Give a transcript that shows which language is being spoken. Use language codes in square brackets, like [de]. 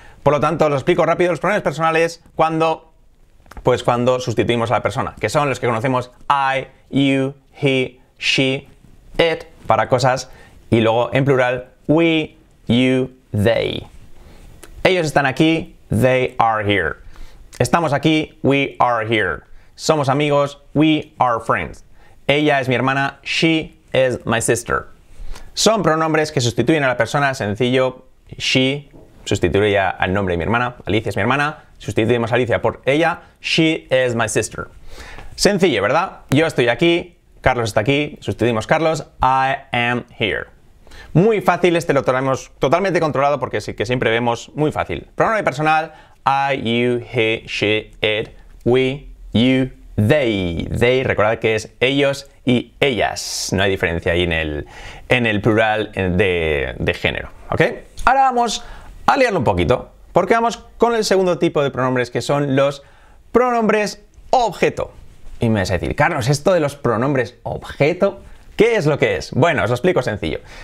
[es] Por lo tanto, os explico rápido los pronombres personales cuando sustituimos a la persona, que son los que conocemos: [en] I, you, he, she, it, para cosas, y luego en plural, we, you, they. [es] Ellos están aquí, [en] they are here. [es] Estamos aquí, [en] we are here. [es] Somos amigos, [en] we are friends. [es] Ella es mi hermana, [en] she is my sister. [es] Son pronombres que sustituyen a la persona, sencillo. She sustituye al nombre de mi hermana. Alicia es mi hermana. Sustituimos a Alicia por ella. [en] She is my sister. [es] Sencillo, ¿verdad? Yo estoy aquí. Carlos está aquí. Sustituimos Carlos. [en] I am here. [es] Muy fácil. Este lo tenemos totalmente controlado porque sí que siempre vemos muy fácil. Pronombre personal. [en] I, you, he, she, it, we, you, they. [es] They, recordad que es ellos y ellas. No hay diferencia ahí en el plural de género, ¿ok? Ahora vamos a liarlo un poquito, porque vamos con el segundo tipo de pronombres, que son los pronombres objeto. Y me vas a decir, Carlos, ¿esto de los pronombres objeto? ¿Qué es lo que es? Bueno, os lo explico sencillo.